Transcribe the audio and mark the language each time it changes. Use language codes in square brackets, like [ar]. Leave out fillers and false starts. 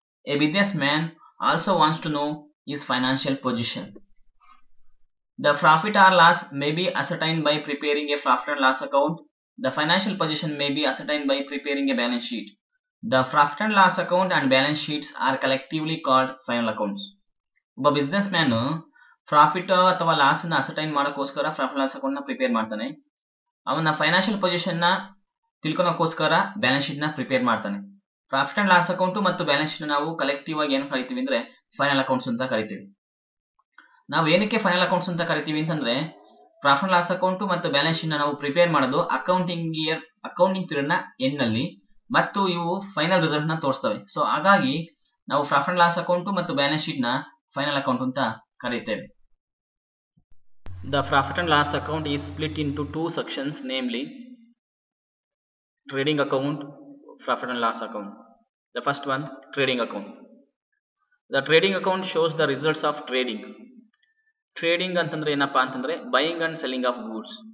[en] A businessman also wants to know his financial position. The profit or loss may be ascertained by preparing a profit and loss account. The financial position may be ascertained by preparing a balance sheet. The profit and loss account and balance sheets are collectively called final accounts. [kn] ಒಬ್ಬ business man profit ಅಥವಾ loss ನ ascertain ಮಾಡೋಕ್ಕೋಸ್ಕರ profit loss account ನ prepare ಮಾಡ್ತಾನೆ. ಅವನ financial position ನ ತಿಳ್ಕೊಳಕ್ಕೋಸ್ಕರ balance sheet ನ prepare ಮಾಡ್ತಾನೆ. ಪ್ರಾಫಿಟ್ ಅಂಡ್ ಲಾಸ್ ಅಕೌಂಟ್ ಮತ್ತು ಬ್ಯಾಲೆನ್ಸ್ ಶೀಟ್ ನಾವು ಕಲೆಕ್ಟಿವ್ ಆಗಿ ಏನು ಕರಿತೀವಿ ಅಂದ್ರೆ ಫೈನಲ್ ಅಕೌಂಟ್ಸ್ ಅಂತ ಕರಿತೀವಿ. ನಾವು ಏನಕ್ಕೆ ಫೈನಲ್ ಅಕೌಂಟ್ಸ್ ಅಂತ ಕರಿತೀವಿ ಅಂತಂದ್ರೆ ಪ್ರಾಫಿಟ್ ಲಾಸ್ ಅಕೌಂಟ್ ಮತ್ತು ಬ್ಯಾಲೆನ್ಸ್ ಶೀಟ್ ನ ನಾವು ಪ್ರಿಪೇರ್ ಮಾಡೋದು ಅಕೌಂಟಿಂಗ್ ಇಯರ್ ಅಕೌಂಟಿಂಗ್ ಪೀರಿಯಡ್ ನ ಎಂಡ್ ನಲ್ಲಿ ಮತ್ತು ಇವು ಫೈನಲ್ ರಿಸಲ್ಟ್ ನ ತೋರಿಸ್ತವೆ. ಸೊ ಹಾಗಾಗಿ ನಾವು ಪ್ರಾಫಿಟ್ ಅಂಡ್ ಲಾಸ್ ಅಕೌಂಟ್ ಮತ್ತು ಬ್ಯಾಲೆನ್ಸ್ ಶೀಟ್ ನ ಫೈನಲ್ ಅಕೌಂಟ್ ಅಂತ ಕರೀತೇವೆ. [en] The profit and loss account is split into two sections, namely trading account, profit and loss account. The first one, trading account. The trading account shows the results of trading. Trading [kn] antandre enappa antandre [en] buying and selling of goods.